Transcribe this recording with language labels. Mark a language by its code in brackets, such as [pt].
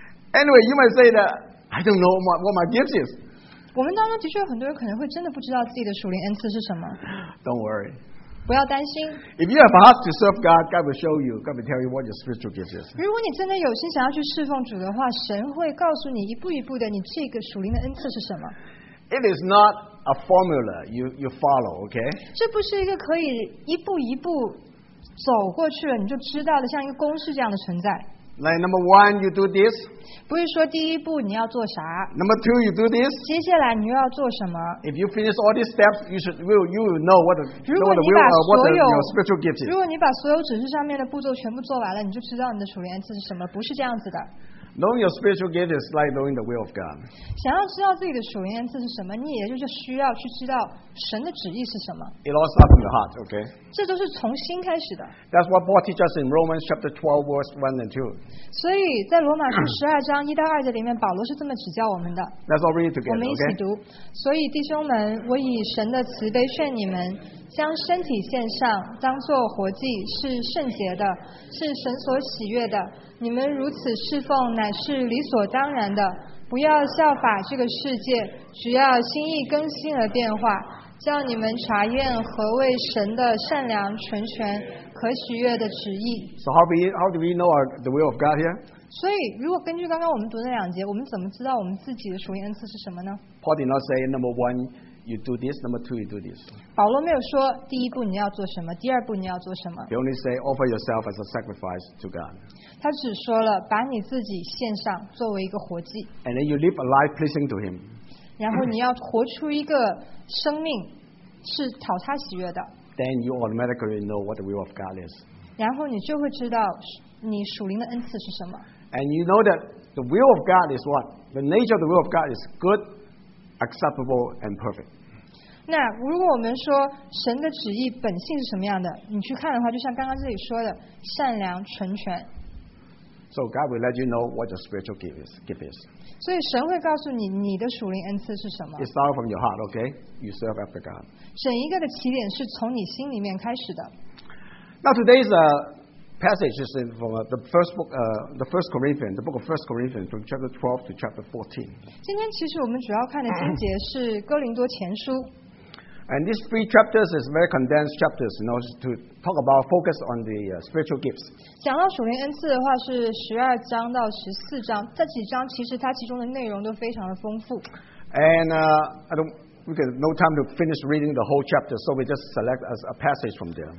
[en] Anyway, you might say that I don't know what my gifts is. [zh] 我们当中的确有很多人可能会真的不知道自己的属灵恩赐是什么。 [en] Don't worry. [zh] 不要担心。 [en] If you have a heart to serve God, God will show you. God will tell you what your spiritual gifts is. [zh] 如果你真的有心想要去侍奉主的话，神会告诉你一步一步的，你这个属灵的恩赐是什么。 [en] It is not. A formula you follow, okay? [zh] 这不是一个可以一步一步走过去了你就知道的，像一个公式这样的存在。 [en] Like number one, you do this. [zh] 不是说第一步你要做啥。 [en] Number two, you do this. [zh] 接下来你又要做什么 [en] ？If you finish all these steps, you will know what your spiritual gift is. [zh] 如果你把所有指示上面的步骤全部做完了，你就知道你的属灵恩赐是什么，不是这样子的。 [en] Knowing your spiritual gift is like knowing the will of God. [zh] 想要知道自己的属灵恩赐是什么，你也就是需要去知道神的旨意是什么。 [en] It all starts from your heart, okay? [zh] 这都是从心开始的。 [en] That's what Paul teaches in Romans chapter 12, verse 1 and 2. [zh] 所以在罗马书十二章一到二节里面，保罗是这么指教我们的。 [en] Let's all read it together, okay? [zh] 我们一起读。所以弟兄们，我以神的慈悲劝你们，将身体献上，当作活祭，是圣洁的，是神所喜悦的。你们如此侍奉乃是理所当然的，不要效法这个世界，只要心意更新而变化，叫你们查验何为神的善良、纯全、可喜悦的旨意。 [en] So how do we know the will of God here? [zh] 所以如果根据刚刚我们读的两节，我们怎么知道我们自己的属灵恩赐是什么呢？ [en] Paul did not say number one you do this, number two you do this. [zh] 保罗没有说第一步你要做什么，第二步你要做什么。 [en] He only say offer yourself as a sacrifice to God. [zh] 他只说了把你自己献上作为一个活祭。 [en] And then you live a life pleasing to him. [zh] 然后你要活出一个生命是讨他喜悦的。 [en] Then you automatically know what the will of God is. [zh] 然后你就会知道你属灵的恩赐是什么。 [en] And you know that the will of God is what? The nature of the will of God is good, acceptable, and perfect. [zh] 那如果我们说神的旨意本性是什么样的，你去看的话，就像刚刚这里说的，善良、纯全。 [en] So God will let you know what your spiritual gift is. [zh] 所以神会告诉你你的属灵恩赐是什么。 [en] It starts from your heart, okay? You serve after God. [zh] 整一个的起点是从你心里面开始的。 [en] Now today's passage is from the book of 1 Corinthians from chapter 12 to chapter 14. [zh] 今天其实我们主要看的经节是哥林多前书。 [en] And these three chapters is very condensed chapters, you know, to talk about focus on the spiritual gifts. [zh] 讲到属灵恩赐的话是十二章到十四章，这几章其实它其中的内容都非常的丰富。 [en] And we got no time to finish reading the whole chapter, so we just select as a passage from there.